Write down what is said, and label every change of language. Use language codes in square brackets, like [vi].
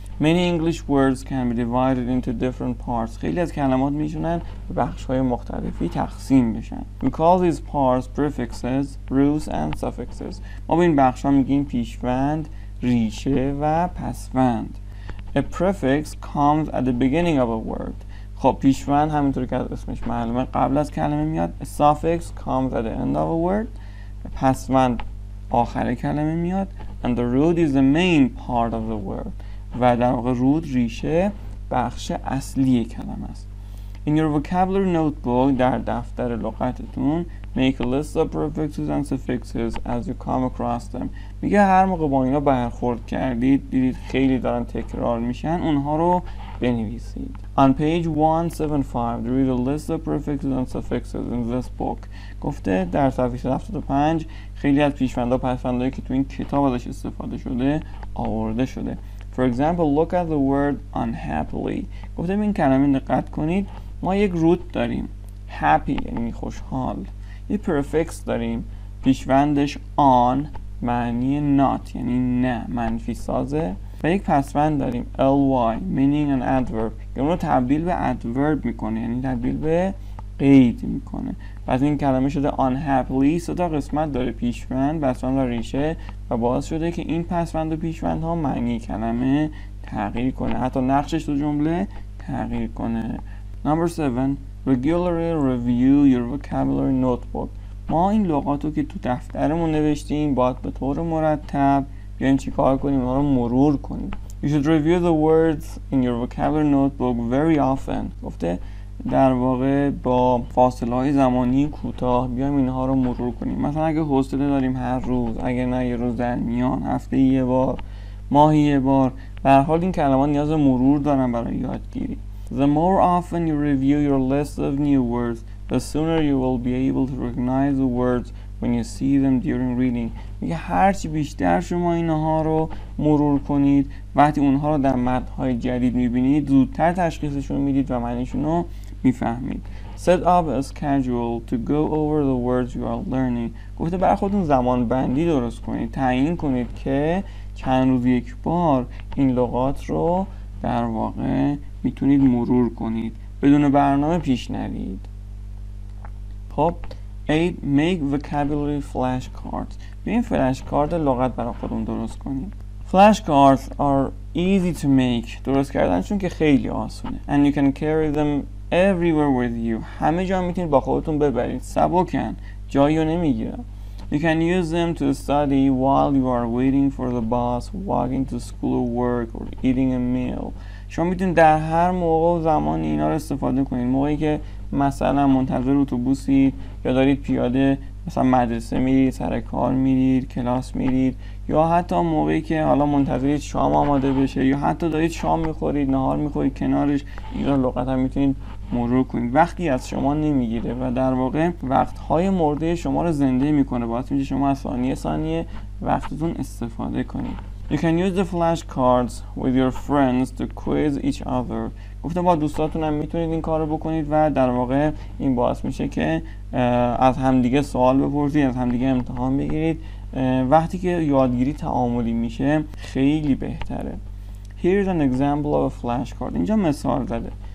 [en] Many English words can be divided into different parts. [fa] خیلی از کلمات میتونن به بخش‌های مختلفی تقسیم بشن. [en] We call these parts prefixes, roots and suffixes. [fa] ما به این بخش‌ها میگیم پیشوند، ریشه و پسوند. [en] A prefix comes at the beginning of a word. [fa] خب پیشوند همینطور که از اسمش معلومه قبل از کلمه میاد. [en] A suffix comes at the end of a word. [fa] پسوند آخر کلمه میاد. [en] And the root is the main part of the word. [fa] و در واقع رود ریشه بخش اصلی کلمه است. [en] In your vocabulary notebook [fa] در دفتر لغتتون [en] make a list of prefixes and suffixes as you come across them. [fa] میگه هر موقع با اینا برخورد کردید دیدید خیلی دارن تکرار میشن اونها رو بنویسید. [en] On page 175 there is a list of prefixes and suffixes in this book. [fa] گفته در صفحه 75 خیلی از پیشوندها و پسوندهایی که تو این کتاب ازش استفاده شده آورده شده. [en] For example, look at the word unhappily. [fa] گفته این کلمه دقت کنید. ما یک root داریم. Happy یعنی خوشحال. یک prefix داریم. پیشوندش on معنی not یعنی نه منفی سازه. و یک پسوند داریم. [en] ly meaning an adverb. [fa] که اونو تبدیل به adverb میکنه. یعنی تبدیل به قید میکنه. پس این کلمه شده unhappily. سه تا قسمت داره پیشوند، پسوند و ریشه و باعث شده که این پسوند و پیشوند ها معنی کلمه تغییر کنه، حتی نقشش تو جمله تغییر کنه. [en] Number 7. Regularly review your vocabulary notebook. [fa] ما این لغات رو که تو دفترمون نوشتیم باید به طور مرتب بیاییم چیکار کنیم اونها رو مرور کنیم. [en] You should review the words in your vocabulary notebook very often. [fa] گفته در واقع با فاصله های زمانی کوتاه بیایم اینها رو مرور کنیم. مثلا اگه حوصله داریم هر روز، اگه نه یه روز در میان، هفته یه بار، ماهی یه بار، به هر حال این کلمات نیاز مرور دارن برای یادگیری. [en] The more often you review your list of new words, the sooner you will be able to recognize the words when you see them during reading. [fa] میگه هرچی بیشتر شما اینها رو مرور کنید وقتی اونها رو در متن‌های جدید میبینید زودتر تشخیصشون میدید و معنیشون رو میفهمید. [en] Set up a schedule to go over the words you are learning. [fa] گفته برای خودتون زمان بندی درست کنید، تعیین کنید که چند روز یک بار این لغات رو در واقع میتونید مرور کنید، بدون برنامه پیش نرید. [en] خب 8. Make vocabulary flashcards. [fa] بیاین فلشکارد لغت برای خودمون درست کنیم. [en] Flashcards are easy to make. [fa] درست کردنشون که خیلی آسونه. [en] And you can carry them everywhere with you. [fa] همه جا میتونید با خودتون ببرید. سبکن. جایی رو نمیگیرن. [en] You can use them to study while you are waiting for the bus, walking to school or work, or eating a meal. [fa] شما میتونید در هر موقع و زمانی اینا رو استفاده کنید. موقعی که مثلا منتظر اتوبوسید یا دارید پیاده مثلا مدرسه میرید، سر کار میرید، کلاس میرید، یا حتی موقعی که حالا منتظرید شام آماده بشه یا حتی دارید شام میخورید، نهار میخورید کنارش اینا رو لغت هم میتونید مرور کنید. وقتی از شما نمیگیره و در واقع وقت‌های مرده شما رو زنده میکنه، باعث میشه شما از ثانیه ثانیه وقتتون استفاده کنید. [en] You can use the flashcards with your friends to quiz each other. [fa] گفتم با دوستاتون هم میتونید این کارو بکنید و در واقع این باعث میشه که از همدیگه سوال بپرسید، از همدیگه امتحان بگیرید. وقتی که یادگیری تعاملی میشه خیلی بهتره. [en] Here's an example of a flashcard. [fa] اینجا مثال زده.